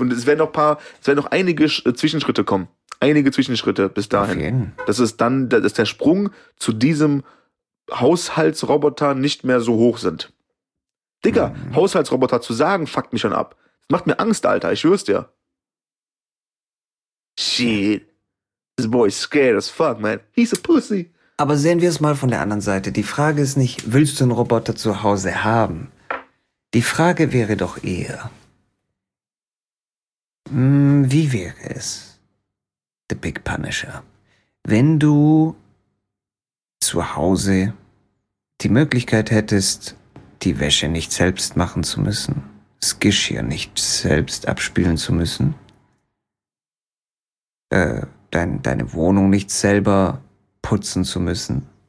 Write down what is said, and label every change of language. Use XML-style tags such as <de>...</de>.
<de>Und es werden noch einige Zwischenschritte kommen. Einige Zwischenschritte bis dahin. Okay. Dass der Sprung zu diesem Haushaltsroboter nicht mehr so hoch sind. Digga, Haushaltsroboter zu sagen, fuckt mich schon ab. Das macht mir Angst, Alter, ich schwör's dir.</de> <en>Shit. This boy's scared as fuck, man. He's a pussy.</en> <de>Aber sehen wir es mal von der anderen Seite. Die Frage ist nicht, willst du einen Roboter zu Hause haben? Die Frage wäre doch eher, wie wäre es, The Big Punisher, wenn du zu Hause die Möglichkeit hättest, die Wäsche nicht selbst machen zu müssen, das Geschirr nicht selbst abspülen zu müssen, deine Wohnung nicht selber putzen zu müssen.</de>